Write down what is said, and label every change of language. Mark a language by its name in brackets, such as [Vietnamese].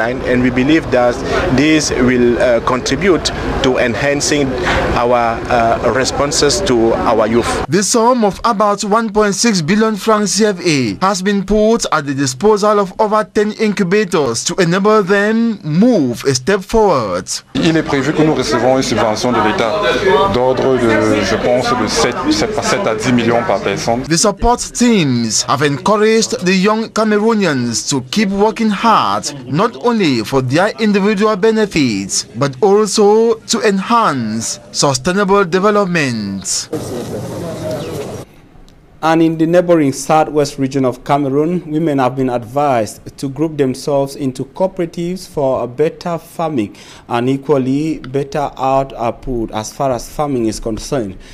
[English] pipeline, and we believe that this will contribute to enhancing our responses to our youth. The sum of about 1.6 billion francs CFA has been put at the disposal of over 10 incubators to enable them move a step forward. [French] Il est prévu que nous recevons une subvention de l'État d'ordre de, je pense, de 7 à 10 millions par personne. [English] The support teams have encouraged the young Cameroonians to keep working hard, not only for their individual benefits, but also to enhance sustainable development. And in the neighboring southwest region of Cameroon, women have been advised to group themselves into cooperatives for a better farming and equally better output as far as farming is concerned.